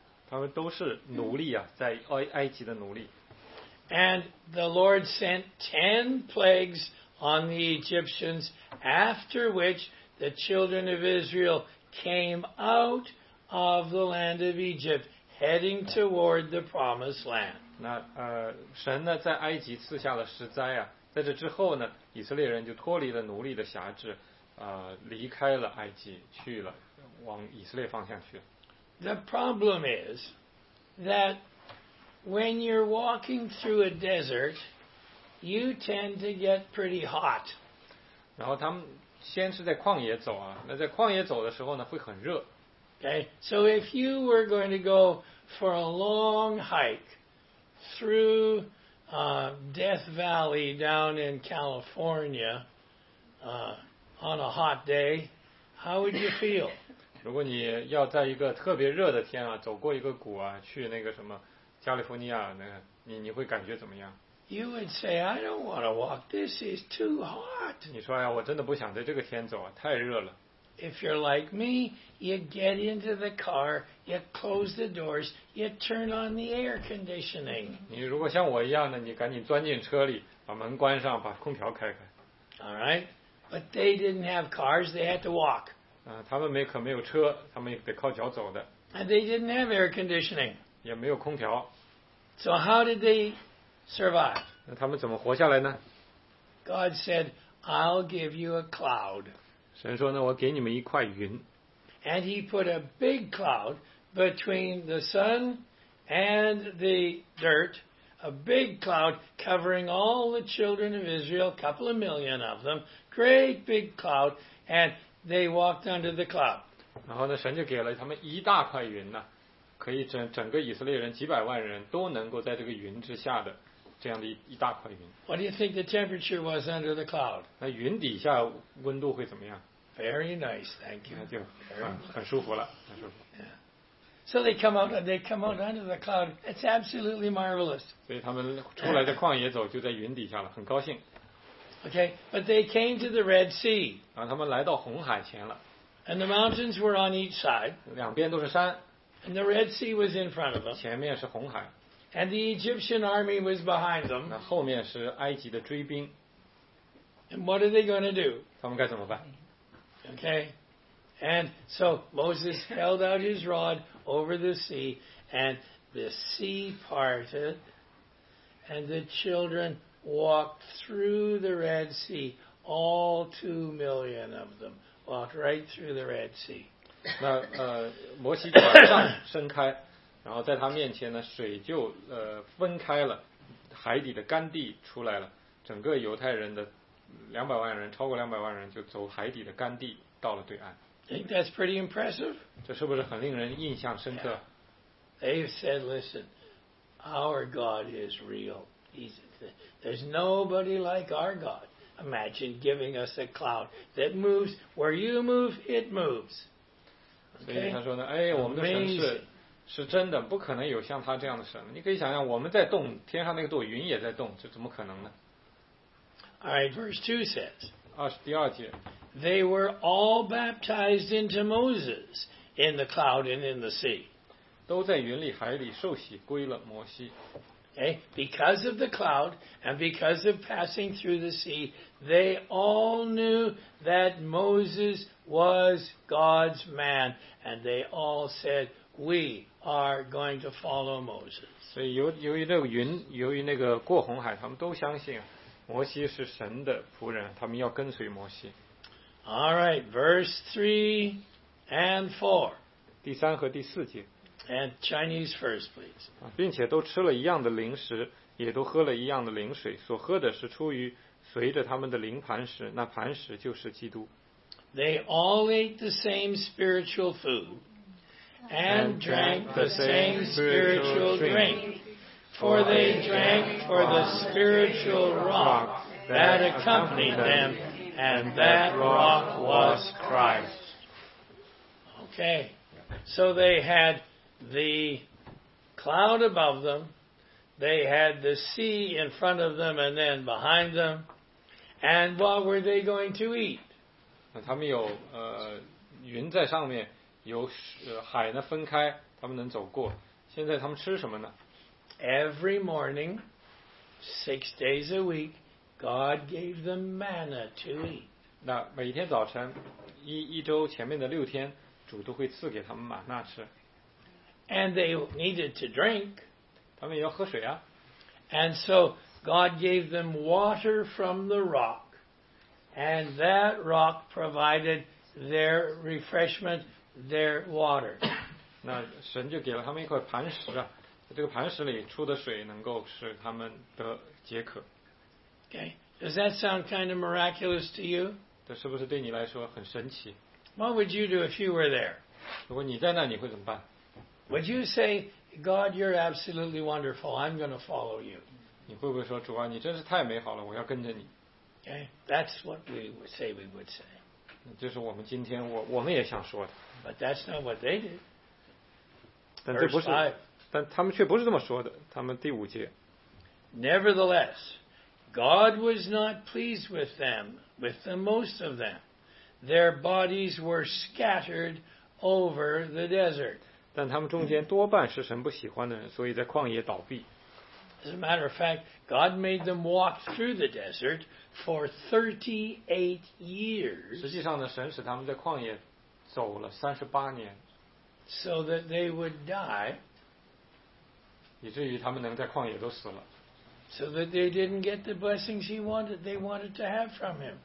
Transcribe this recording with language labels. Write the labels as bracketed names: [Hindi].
[Chinese] 他们都是奴隶啊，在埃及的奴隶。 [English] And the Lord sent 10 plagues on the Egyptians, after which the children of Israel came out of the land of Egypt, heading toward the promised land. [Chinese] 那神呢，在埃及赐下了十灾啊，在这之后呢，以色列人就脱离了奴隶的辖制，离开了埃及，去了往以色列方向去。 [English] The problem is that when you're walking through a desert, you tend to get pretty hot. [Chinese] 然后他们先是在旷野走啊，那在旷野走的时候呢，会很热。 [English] Okay, so if you were going to go for a long hike through Death Valley down in California on a hot day, how would you feel? [Chinese] 如果你要在一个特别热的天啊，走过一个谷啊，去那个什么。加利福尼亚那个，你会感觉怎么样 [English] ？You would say, I don't want to walk. This is too hot. [Chinese] 你说呀，我真的不想在这个天走啊，太热了。 [English] If you're like me, you get into the car, you close the doors, you turn on the air conditioning. [Chinese] 你如果像我一样的，你赶紧钻进车里，把门关上，把空调开开。 [English] All right, but they didn't have cars. They had to walk. [Chinese] 他们没有车，他们得靠脚走的。 [English] And they didn't have air conditioning. [Chinese] 也没有空调。 [English] So how did they survive? [Chinese] 那他们怎么活下来呢？ [English] God said, I'll give you a cloud. [Chinese] 神说呢，我给你们一块云。 [English] And he put a big cloud between the sun and the dirt, a big cloud covering all the children of Israel, a couple of million of them, great big cloud, and they walked under the cloud. [Chinese] 然后呢，神就给了他们一大块云呢。可以整个以色列人几百万人都能够在这个云之下的这样的 一大块云。 [English] What do you think the temperature was under the cloud? [Chinese] 那云底下温度会怎么样？ [English] Very nice, thank you. [Chinese] 那就很舒服了，很舒服。 [English] Yeah. So they come out under the cloud. It's absolutely marvelous. [Chinese] 所以他们出来在旷野走，就在云底下了，很高兴。 [English] Okay, but they came to the Red Sea. [Chinese] 然后他们来到红海前了。 [English] And the mountains were on each side. [Chinese] 两边都是山。 [English] And the Red Sea was in front of them. [Chinese] 前面是红海。 [English] And the Egyptian army was behind them. [Chinese] 那后面是埃及的追兵。 [English] And what are they going to do? [Chinese] 他们该怎么办？ [English] Okay. And so Moses held out his rod over the sea, and the sea parted, and the children walked through the Red Sea, all 2 million of them walked right through the Red Sea. [Chinese] 那摩西把杖伸开，然后在他面前呢，水就分开了，海底的干地出来了，整个犹太人的超过两百万人就走海底的干地到了对岸。 [English] Think that's pretty impressive? [Chinese] 这是不是很令人印象深刻 [English] ？They've said, "Listen, our God is real. There's nobody like our God. Imagine giving us a cloud that moves where you move, it moves." [Chinese] 所以他说呢，哎，我们的神是真的，不可能有像他这样的神。你可以想想，我们在动，天上那个朵云也在动，这怎么可能呢 [English] ？All right, verse 2 says. [Chinese] 第二节。 [English] They were all baptized into Moses in the cloud and in the sea. [Chinese] 都在云里海里受洗归了摩西。 [English] Okay, because of the cloud and because of passing through the sea, they all knew that Moses was God's man, and they all said, "We are going to follow Moses." [Chinese] 所以由于这个云，由于那个过红海，他们都相信摩西是神的仆人，他们要跟随摩西。 [English] All right, verse 3 and 4. [Chinese] 第三和第四节。 [English] And Chinese first, please. [Chinese] 并且都吃了一样的零食，也都喝了一样的灵水，所喝的是出于随着他们的灵磐石，那磐石就是基督。 [English] They all ate the same spiritual food and drank the same spiritual drink, for they drank for the spiritual rock that accompanied them, and that rock was Christ. Okay, so they had the cloud above them, they had the sea in front of them and then behind them, and what were they going to eat? [Chinese] 他们有云在上面，有海呢分开，他们能走过。现在他们吃什么呢？ [English] Every morning, 6 days a week, God gave them manna to eat. [Chinese] 那每天早晨，一周前面的六天，主都会赐给他们玛纳吃。 [English] And they needed to drink. [Chinese] 他们也要喝水啊。 [English] And so God gave them water from the rock. And that rock provided their refreshment, their water. [Chinese] 那神就给了他们一块磐石啊，这个磐石里出的水能够使他们得解渴。 [English] Okay, does that sound kind of miraculous to you? [Chinese] 这是不是对你来说很神奇？ [English] What would you do if you were there? [Chinese] 如果你在那，你会怎么办？ [English] Would you say, God, you're absolutely wonderful, I'm going to follow you? [Chinese] 你会不会说，主啊，你真是太美好了，我要跟着你？ [English] Okay, that's what we would say. We would say. [Chinese] 就是我们今天我们也想说的。 [English] But that's not what they did. [Chinese] 但这不是，但他们却不是这么说的。他们第五节。 [English] Nevertheless, God was not pleased with them, with the most of them. Their bodies were scattered over the desert. [Chinese] 但他们中间多半是神不喜欢的人，所以在旷野倒闭。 [English] As a matter of fact, God made them walk through the desert for 38 years. [Chinese] 实际上呢，神使他们在旷野走了38年。 [English] So that they would die. [Chinese] 以至于他们能在旷野都死了。 [English] So that they didn't get the blessings they wanted to have from him.